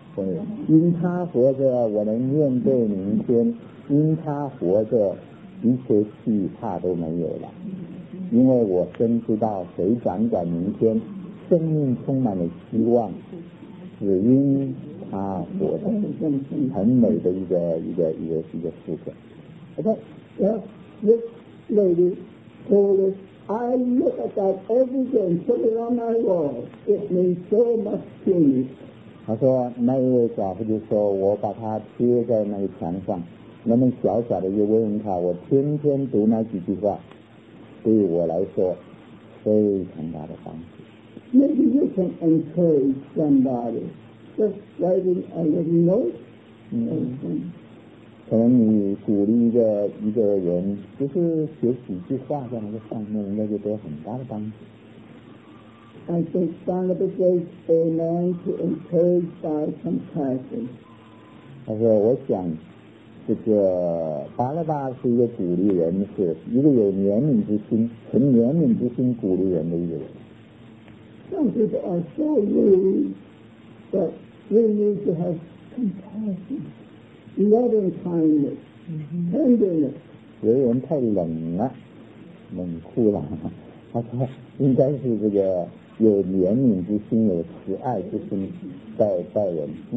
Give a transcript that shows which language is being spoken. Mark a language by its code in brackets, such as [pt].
[zh] 朋友，因他活着，我能面对明天。因他活着。一切惧怕都没有了，因为我深知道谁掌管明天，生命充满了希望，只因他活着。很美的一个诗歌。 [en] Okay, yeah, this lady told us, I look at that every day and put it on my wall. It means so much to me. [zh] 他说，那一位寡妇就说，我把它贴在那个墙上。那么小小的一个慰问卡，我天天读那几句话，对我来说非常大的帮助。 [en] Maybe you can encourage somebody just writing a little note. [zh] 可能你鼓励一个人，就是写几句话在那个上面，应该就得很大的帮助。 [en] I think Barnabas says, "Amen to encourage by compassion." [zh] 他说，我想。这个巴拉巴是一个鼓励人，是一个有怜悯之心，纯怜悯之心鼓励人的一个人。 [en] Some people are so rude, but we need to have compassion, loving kindness, tenderness. [zh] 有人太冷了，冷酷了，他说应该是这个有怜悯之心，有慈爱之心在待人。